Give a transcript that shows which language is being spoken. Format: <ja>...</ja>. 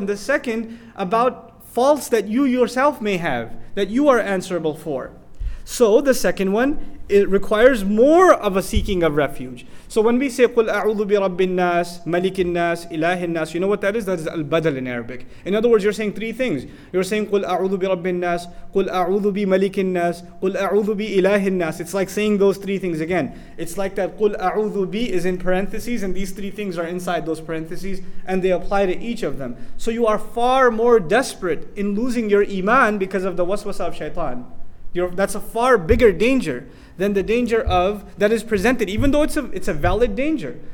<en>And the second, about faults that you yourself may have, that you are answerable for. So the second one, it requires more of a seeking of refuge. So when we say,</en> <ar>قُلْ أَعُوذُ بِرَبِّ النَّاسِ مَلِكِ النَّاسِ إِلَهِ النَّاسِ,</ar> <en>you know what that is? That is al-badal in Arabic. In other words, you're saying three things. You're saying,</en> <ar>قُلْ أَعُوذُ بِرَبِّ النَّاسِ, قُلْ أَعُوذُ بِمَلِكِ النَّاسِ, قُلْ أَعُوذُ بِإِلَهِ النَّاسِ.</ar> <en>It's like saying those three things again. It's like that</en> <ar>قُلْ أَعُوذُ بِ</ar> <en>is in parentheses, and these three things are inside those parentheses, and they apply to each of them. So you are far more desperate in losing your iman because of the waswasa of shaitan. That's a far bigger danger than the danger of that is presented, even though it's a valid danger.</en>